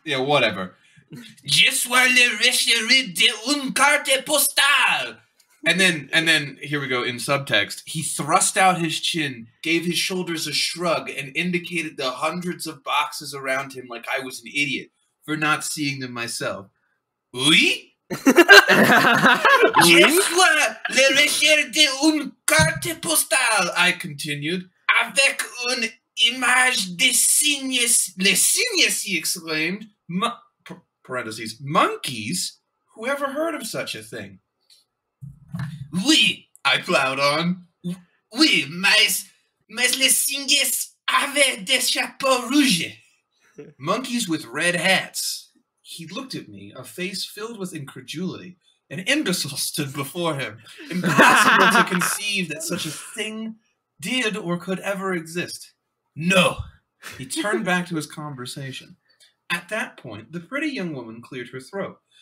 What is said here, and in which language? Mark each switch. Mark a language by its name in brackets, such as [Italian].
[English] Yeah, whatever. [French] Je suis le recherche d'une carte postale. [English] And then, here we go, in subtext. He thrust out his chin, gave his shoulders a shrug, and indicated the hundreds of boxes around him like I was an idiot for not seeing them myself. [French] Oui? Je suis le recherche d'une carte postale, [English] I continued. [French] Avec une image de signes, les signes, [English] he exclaimed. Parentheses, monkeys? Whoever heard of such a thing? Oui, I plowed on. [French] Oui, mais les singes avaient des chapeaux rouges. [English] Monkeys with red hats. He looked at me, a face filled with incredulity. An imbecile stood before him, impossible to conceive that such a thing did or could ever exist. No. He turned back to his conversation. At that point, the pretty young woman cleared her throat.